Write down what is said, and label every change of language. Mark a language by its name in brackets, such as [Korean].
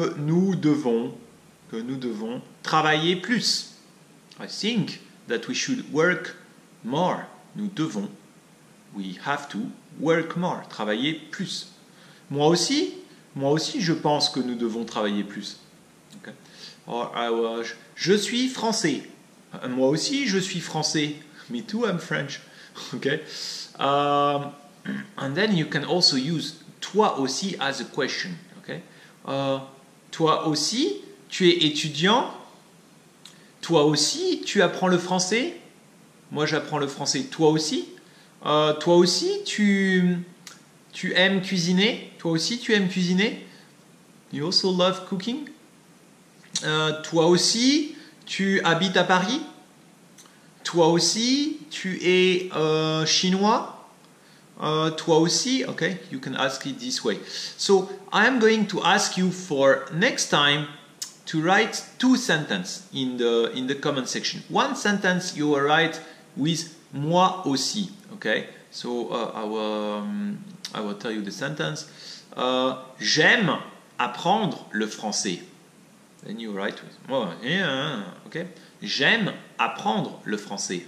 [French] Je pense que nous devons travailler plus. [English] I think that we should work more. [French] Nous devons. [English] We have to work more. [French] Travailler plus. Moi aussi, je pense que nous devons travailler plus. Okay. [English] Or I was, [French] je suis français. Moi aussi, je suis français. [English] Me too, I'm French. Okay. And then you can also use [French] toi aussi [English] as a question. [French] Okay. Toi aussi, tu es étudiant. Toi aussi, tu apprends le français. Moi, j'apprends le français. Toi aussi. Toi aussi, tu aimes cuisiner. Toi aussi, tu aimes cuisiner. [English] You also love cooking. [French] Toi aussi, tu habites à Paris. Toi aussi, tu es chinois. Toi aussi, [English] okay, you can ask it this way. So, I am going to ask you for next time to write two sentences in the comment section. One sentence you will write with [French] moi aussi, [English] okay? So, I will tell you the sentence. [French] J'aime apprendre le français. [English] Then you write with moi. [French] Yeah, okay. J'aime apprendre le français.